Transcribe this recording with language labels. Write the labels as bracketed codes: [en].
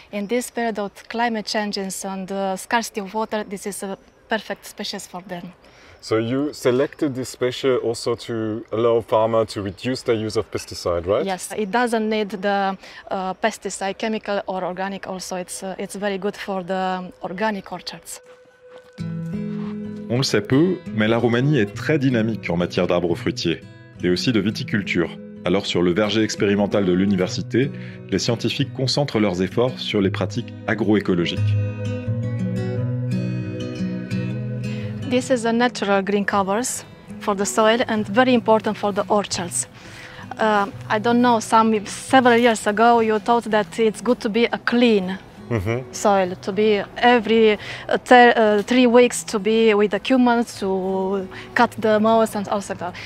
[en] In this period of climate changes and the scarcity of water, this is a perfect species for them. So you selected this species also to allow farmers to reduce their use of pesticide, right? Yes, it doesn't need the pesticide, chemical or organic also. It's very good for the organic orchards. [fr] On le sait peu, mais la Roumanie est très dynamique en matière d'arbres fruitiers, et aussi de viticulture. Alors sur le verger expérimental de l'université, les scientifiques concentrent leurs efforts sur les pratiques agroécologiques. [en] This is a natural green covers for the soil and very important for the orchards. I don't know, several years ago you thought that it's good to be a clean soil, to be every 3 weeks to be with the cumin to cut the moss and all that.